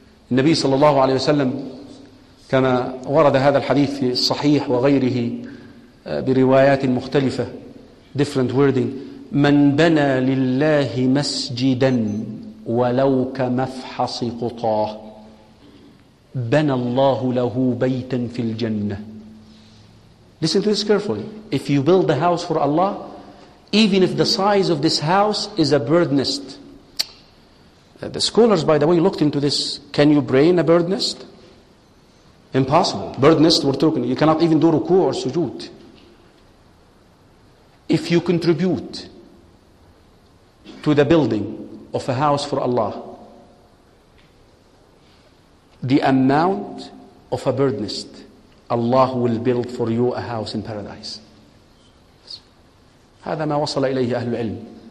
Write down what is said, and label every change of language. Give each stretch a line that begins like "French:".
Arabic: النبي صلى الله عليه وسلم كما ورد هذا الحديث في الصحيح وغيره بروايات مختلفة,
English: different wording,
Arabic: من بنى لله مسجدا ولو كمفحص قطاه بنى الله له بيتا في الجنة.
English: Listen to this carefully. If you build a house for Allah, even if the size of this house is a bird nest. The scholars, by the way, looked into this. Can you brain a bird nest? Impossible. Bird nest, we're talking. You cannot even do ruku or sujood. If you contribute to the building of a house for Allah, the amount of a bird nest, Allah will build for you a house in paradise.
Arabic: هذا ما وصل إليه أهل العلم.